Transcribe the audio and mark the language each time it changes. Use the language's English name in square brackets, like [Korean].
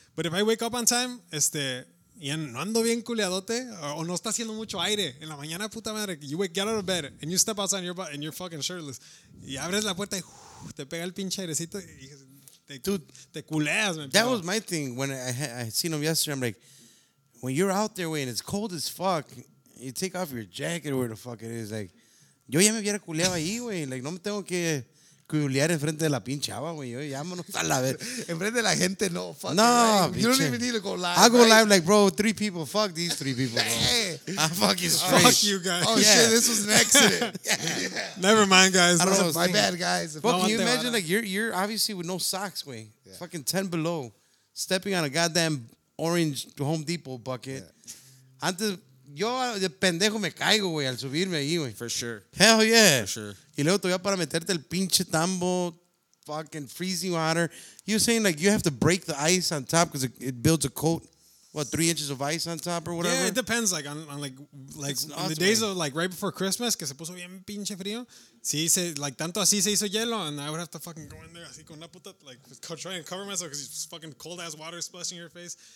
[English] But if I wake up on time, [Spanish] y no ando bien culiadote o no está haciendo mucho aire en la mañana, puta madre, [English] you get out of bed and you step outside and you're fucking shirtless [Spanish] y abres la puerta y te pega el pinche airecito y te culeas, [English] man. That was my thing when I seen him yesterday. I'm like, when you're out there and it's cold as fuck, you take off your jacket or where the fuck it is, like, [Spanish] yo ya me hubiera culeado ahí, güey. Like, no me tengo que culiar en frente de la pinche agua, güey. Llámonos a la ver. En frente de la gente, no. Fuck [English] no, right. You don't even need to go live. I'll go right? Live like, bro, three people. Fuck these three people, bro. Hey. I'm fucking straight. Fuck you guys. Oh, yeah. Shit, this was an accident. Never mind, guys. I don't know. My bad, guys. But can you imagine, like, you're obviously with no socks, güey. Yeah. Fucking 10 below. stepping on a goddamn orange Home Depot bucket. Yeah. [Spanish] Antes, yo de pendejo me caigo, güey, al subirme ahí, güey. [English] For sure. Hell yeah. For sure. [Spanish] Y luego todavía para meterte el pinche tambo, [English] fucking freezing water. You were saying, like, you have to break the ice on top because it builds a coat. What, 3 inches of ice on top or whatever? Yeah, it depends, like, on like in awesome, the days man. Of, like, right before Christmas, [Spanish] que se puso bien pinche frío, si se, [English] like, [Spanish] tanto así se hizo hielo, [English] and I would have to fucking go in there, [Spanish] así con una puta, [English] like, try and cover myself, because it's fucking cold-ass water splashing your face.